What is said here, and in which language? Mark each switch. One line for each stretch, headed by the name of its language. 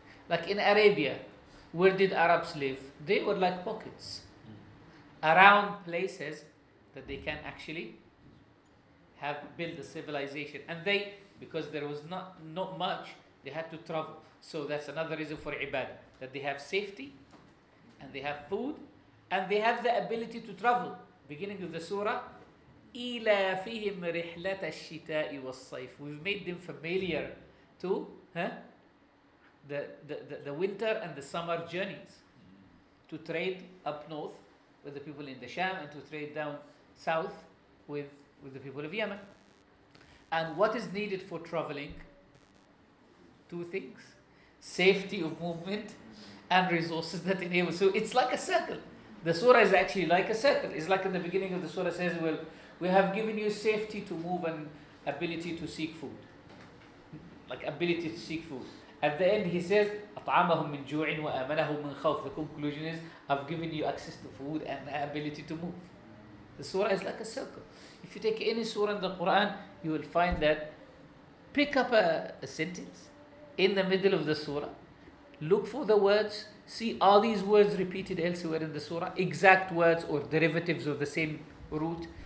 English: Like in Arabia, where did Arabs live? They were like pockets around places that they can actually have built a civilization. And they, because there was not much, they had to travel. So that's another reason for ibadah, that they have safety, and they have food, and they have the ability to travel. Beginning of the surah,
Arabic: إِلَى فِيهِمْ رِحْلَةَ الشِّتَاءِ وَالصَّيْفِ.
English: We've made them familiar to the winter and the summer journeys, to trade up north with the people in the Sham, and to trade down south with the people of Yemen. And what is needed for traveling? Two things: safety of movement and resources that enable. So it's like a circle. The surah is actually like a circle. It's like in the beginning of the surah says, well, we have given you safety to move and ability to seek food. Like ability to seek food. At the end he says,
Arabic: أَطْعَمَهُمْ مِنْ جُوعٍ وَآمَنَهُمْ مِنْ خَوْفٍ.
English: The conclusion is, I've given you access to food and ability to move. The surah is like a circle. If you take any surah in the Quran, you will find that, pick up a sentence in the middle of the surah, look for the words, see are these words repeated elsewhere in the surah, exact words or derivatives of the same root.